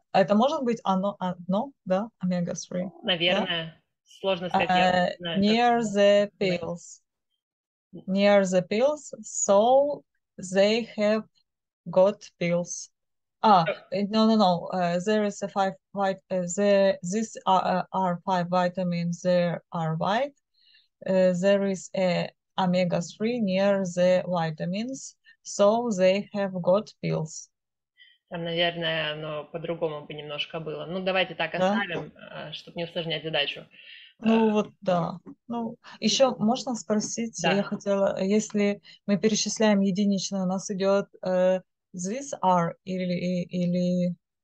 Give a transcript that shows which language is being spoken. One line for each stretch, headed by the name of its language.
Russian: Это может быть оно, одно, да, omega-3. Наверное.
English: Yeah?
Russian: Сложно сказать.
English: Near the pills. Near the pills, so they have got pills. There is a five white. These are five vitamins. There are white. There is a omega 3 near the vitamins, so they have got pills.
Russian: Там, наверное, оно по-другому бы немножко было. Ну, давайте так оставим, да? Чтобы не усложнять задачу. Ну вот да. Ну, еще можно спросить, да. Я хотела, если мы перечисляем единично, у нас идет
English: this are
Russian: или